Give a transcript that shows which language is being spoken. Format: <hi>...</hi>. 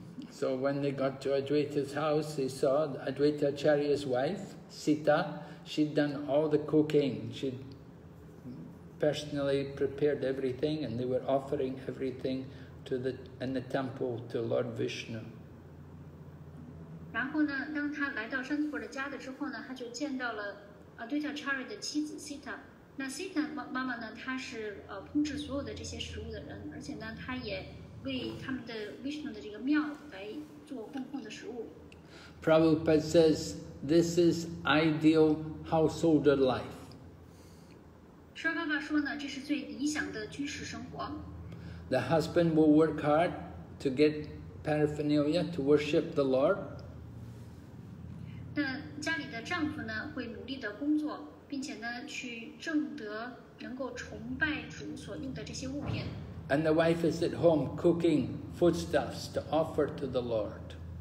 <en>So when they got to Advaita's house, they saw Advaita Acharya's wife, Sita. She'd done all the cooking. She'd personally prepared everything, and they were offering everything to the in the temple to Lord Vishnu.</en> <zh>然后呢，当他来到山普的家的之后呢，他就见到了啊，对叫查理的妻子Sita。</zh> <en>Prabhupada says this is ideal householder life.</en> <zh>舍爸爸说呢，这是最理想的居士生活。</zh> <en>The husband will work hard to get paraphernalia to worship the Lord.</en> <zh>那家里的丈夫呢，会努力的工作。并且呢，去挣得能够崇拜主所用的这些物品。</zh> <en>And the wife is at home cooking foodstuffs to offer to the Lord.</en>